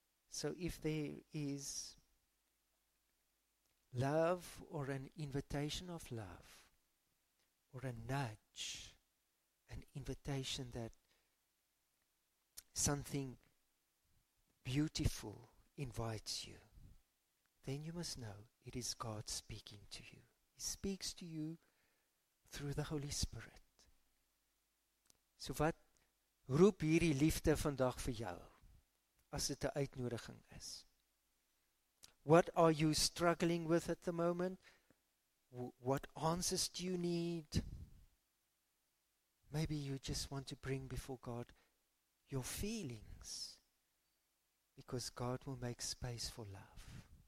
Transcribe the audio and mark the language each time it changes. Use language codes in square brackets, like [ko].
[en] So if there is love or an invitation of love, or a nudge, an invitation that something beautiful invites you, then you must know it is God speaking to you. He speaks to you through the Holy Spirit. [af] So wat roep hierdie liefde vandag vir jou, as dit 'n uitnodiging is? [en] What are you struggling with at the moment? What answers do you need? Maybe you just want to bring before God your feelings, because God will make space for love.